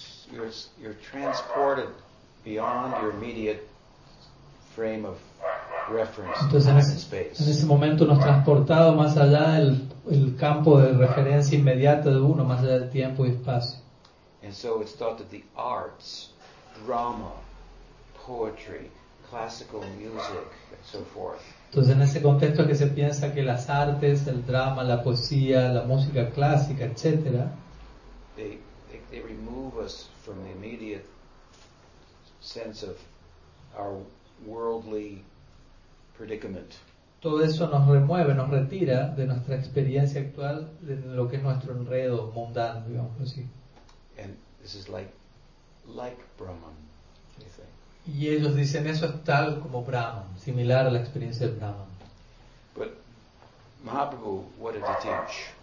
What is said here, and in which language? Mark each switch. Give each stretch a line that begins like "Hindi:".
English: you're transported beyond your immediate frame of reference.
Spanish: Entonces, en ese momento nos transportamos más allá del el campo de referencia inmediato de uno, más allá del tiempo y espacio.
English: And so it's thought that the arts, drama, poetry, classical music, and so forth.
Spanish: Entonces, en ese contexto que se piensa que las artes, el drama, la poesía, la música clásica, etcétera,
English: they remove us from the immediate sense of our worldly predicament.
Spanish: Todo eso nos remueve, nos retira de nuestra experiencia actual, de lo que es nuestro enredo mundano, digamos así.
English: And this is like Brahman, they say.
Spanish: Y ellos dicen eso es tal como Brahman, similar a la experiencia de Brahman.
English: But Mahaprabhu, what did he teach?